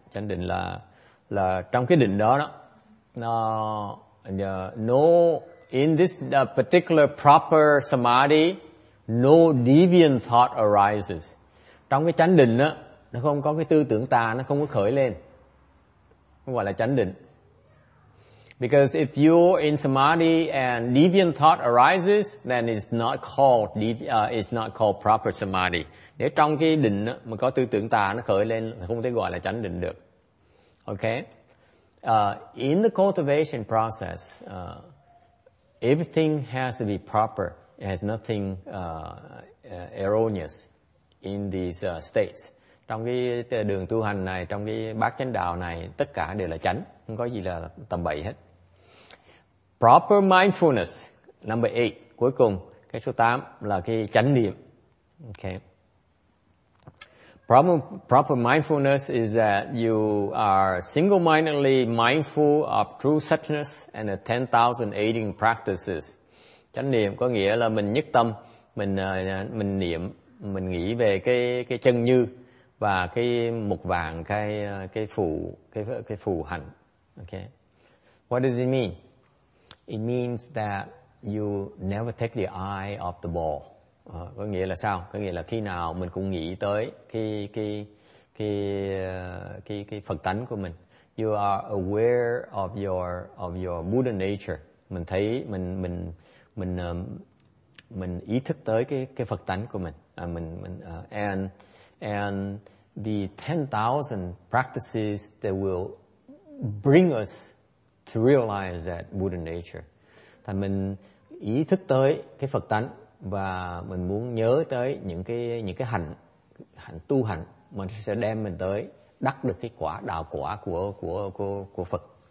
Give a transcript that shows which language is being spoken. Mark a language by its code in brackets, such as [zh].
[vi] Chánh định là trong cái định đó. [en] In this particular proper samadhi, no deviant thought arises. [vi] Trong cái chánh định đó, nó không có cái tư tưởng tà, nó không có khởi lên. Không gọi là chánh định. [en] Because if you're in samadhi and deviant thought arises, then it's not called proper samadhi. [vi] Nếu trong cái định mà có tư tưởng tà nó khởi lên, không thể gọi là chánh định được. [en] Okay. In the cultivation process, everything has to be proper. It has nothing erroneous in these states. [vi] Trong cái đường tu hành này, trong cái bát chánh đạo này, tất cả đều là chánh, không có gì là tầm bậy hết. [en] Proper mindfulness, number 8. [vi] Cuối cùng, cái số 8 là cái chánh niệm. [en] Okay. Proper mindfulness is that you are single-mindedly mindful of true suchness and the 10,000 aiding practices. [vi] Chánh niệm có nghĩa là mình nhất tâm, mình niệm, mình nghĩ về cái chân như và cái mục vàng, cái phụ hạnh. Okay. [en] What does it mean? It means that you never take the eye off the ball. [vi] Có nghĩa là sao? Có nghĩa là khi nào mình cũng nghĩ tới cái Phật tánh của mình. [en] You are aware of your Buddha nature. [vi] Mình thấy mình ý thức tới cái Phật tánh của mình. [en] And the 10,000 practices that will bring us to realize that Buddha nature. [vi] Thì mình ý thức tới cái Phật tánh và mình muốn nhớ tới những cái hạnh tu hạnh mà sẽ đem mình tới đắc được cái quả đạo quả của Phật.